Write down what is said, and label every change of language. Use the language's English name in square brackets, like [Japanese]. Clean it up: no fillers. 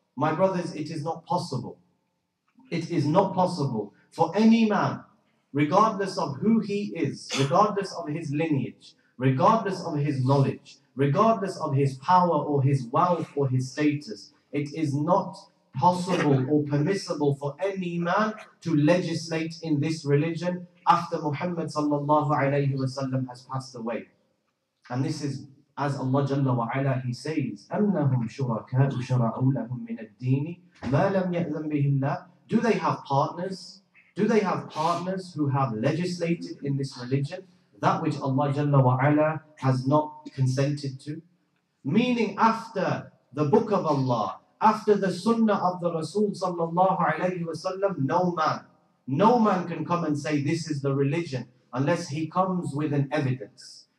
[English] My brothers, it is not possible. It is not possible for any man, regardless of who he is, regardless of his lineage, regardless of his knowledge, regardless of his power or his wealth or his status, it is not possible or permissible for any man to legislate in this religion after Muhammad sallallahu alayhi wa sallam has passed away. And this is as Allah jalla wa ala, He says, [Arabic] أَنَّهُمْ شُرَكَاءُ شَرَعُوا لَهُمْ مِنَ الدِّينِ مَا لَمْ يَأْذَنْ بِهِ اللَّهِ. [English] Do they have partners? Do they have partners who have legislated in this religion, that which Allah jalla wa ala has not consented to? Meaning after the book of Allah, after the sunnah of the Rasul sallallahu alayhi wa sallam, no man can come and say this is the religion unless he comes with an evidence.